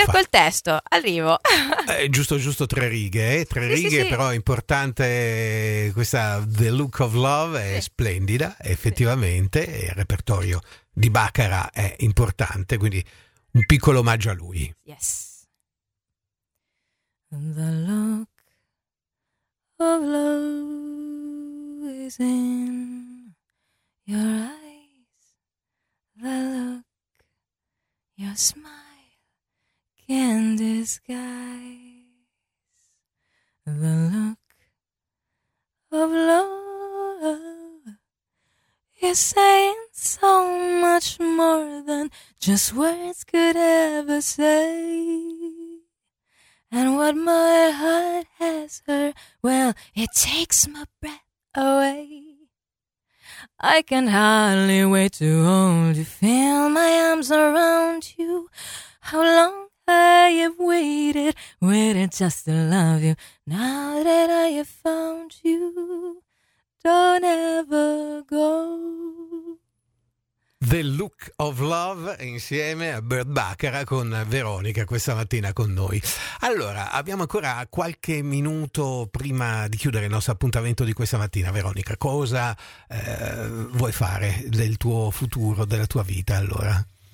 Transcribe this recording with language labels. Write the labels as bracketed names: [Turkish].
[Italian] Cerco il testo, arrivo. giusto tre righe, tre righe. Però è importante questa The Look of Love, è sì, splendida, effettivamente, sì. Il repertorio di Bacharach è importante, quindi un piccolo omaggio a lui. [English] Yes. The look of love is in your eyes. The look your smile can disguise. The look of love is saying so much more than just words could ever say. And what my heart has heard, well, it takes my breath away. I can hardly wait to hold you, feel my arms around you. How long I have waited, waited just to love you. Now that I have found you, don't ever go. [Italian] The Look of Love insieme a Burt Bacharach con Veronica questa mattina con noi. Allora, abbiamo ancora qualche minuto prima di chiudere il nostro appuntamento di questa mattina. Veronica, cosa vuoi fare del tuo futuro, della tua vita allora?